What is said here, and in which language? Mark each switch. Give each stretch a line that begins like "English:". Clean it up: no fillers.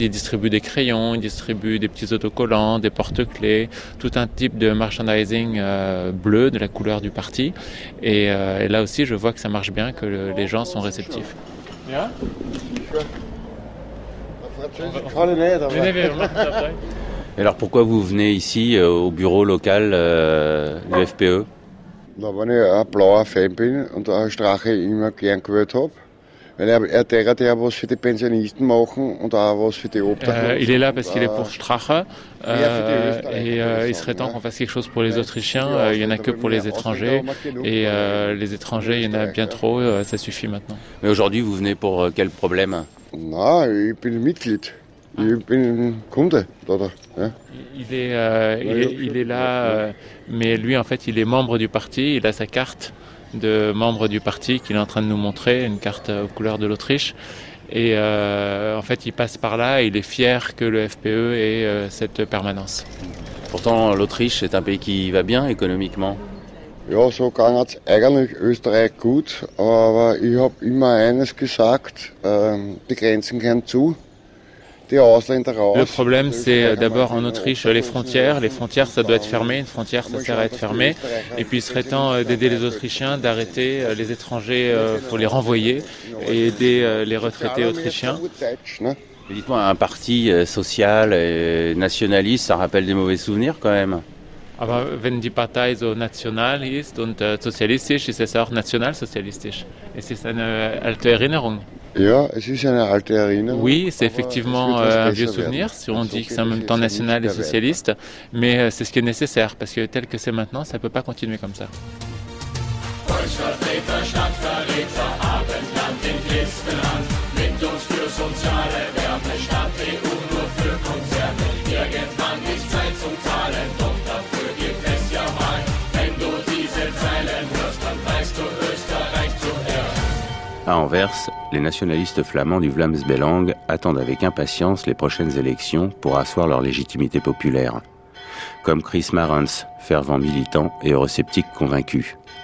French: Ils distribuent des crayons, ils distribuent des petits autocollants, des porte-clés, tout un type de merchandising bleu, de la couleur du parti. Et là aussi, je vois que ça marche bien, que les gens sont réceptifs. Et alors pourquoi vous venez ici au bureau local du FPE ?
German: Da war ich ein blauer Fan bin und da Strache immer gern gehört habe.
French: Il est là parce qu'il est pour Strache et il serait temps qu'on fasse quelque chose pour les Autrichiens. Il n'y en a que pour les étrangers et les étrangers, il y en a bien trop. Ça suffit maintenant. Mais aujourd'hui, vous venez pour quel problème ? Non, je suis Mitglied. Je suis Kunde. Il est là, mais lui, en fait, il est membre du parti. Il a sa carte de membre du parti qu'il est en train de nous montrer, une carte aux couleurs de l'Autriche. Et en fait, il passe par là et il est fier que le FPE ait cette permanence. Pourtant, l'Autriche est un pays qui va bien économiquement.
German: Ja, so ging es eigentlich Österreich gut, aber ich habe immer eines gesagt, die Grenzen gehen zu.
French: Le problème, c'est d'abord en Autriche, les frontières. Les frontières, ça doit être fermé. Une frontière, ça sert à être fermé. Et puis, il serait temps d'aider les Autrichiens, d'arrêter les étrangers pour les renvoyer et aider les retraités autrichiens. Dites-moi, un parti social et nationaliste, ça rappelle des mauvais souvenirs quand même.
German: Aber wenn die Partei so nationalist und sozialistisch ist, ist es auch nationalsozialistisch. Es ist eine alte Erinnerung. Ja, es ist eine alte Erinnerung.
French: Oui, c'est effectivement un vieux souvenir, si on dit que c'est en même temps national et socialiste, mais c'est ce qui est nécessaire, parce que tel que c'est maintenant, ça ne peut pas continuer comme ça.
German: Volksvertreter, Stadtverräter, Abendland in Christenland, mit uns für soziale Werte, Stadt EU nur für Konzerne. Irgendwann ist Zeit zum Zahlen, doch dafür gibt es ja mal. Wenn du diese Zeilen hörst, dann weißt du Österreich zuerst.
French: À Anvers, les nationalistes flamands du Vlaams Belang attendent avec impatience les prochaines élections pour asseoir leur légitimité populaire. Comme Chris Marens, fervent militant et eurosceptique convaincu.